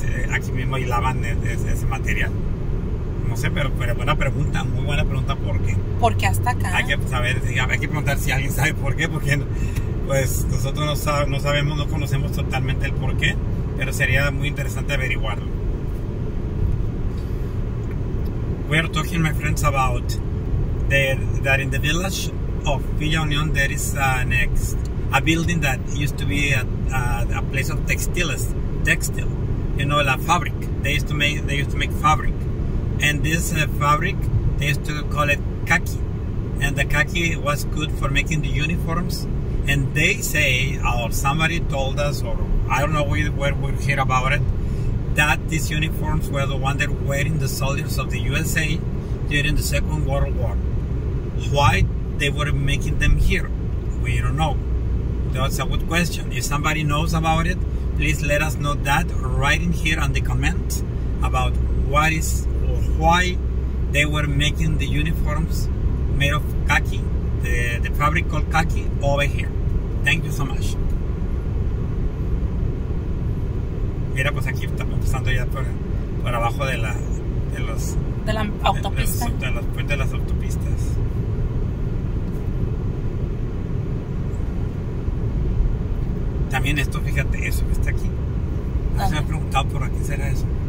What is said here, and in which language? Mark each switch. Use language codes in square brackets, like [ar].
[es] aquí mismo hilaban ese material. No sé, pero muy buena pregunta. ¿Por qué? ¿Por qué hasta acá? Hay que preguntar si alguien sabe por qué. Porque pues nosotros no sabemos, no conocemos totalmente el por qué, pero sería muy interesante averiguarlo. [en] We are talking, my friends, about that in the village of Villa Unión there is a building that used to be a place of textile. You know, la fabric. They used to make fabric. And this fabric, they used to call it khaki. And the khaki was good for making the uniforms. And they say, or somebody told us, or I don't know where we hear about it, that these uniforms were the ones that were wearing the soldiers of the USA during the Second World War. Why they were making them here? We don't know. That's a good question. If somebody knows about it, please let us know that right in here on the comment about what is or why they were making the uniforms made of khaki, the fabric called khaki over here. Thank you so much. [es] Mira, pues aquí estamos pasando ya por abajo de las autopistas. También esto, fíjate, eso que está aquí. No se me ha preguntado por qué será eso.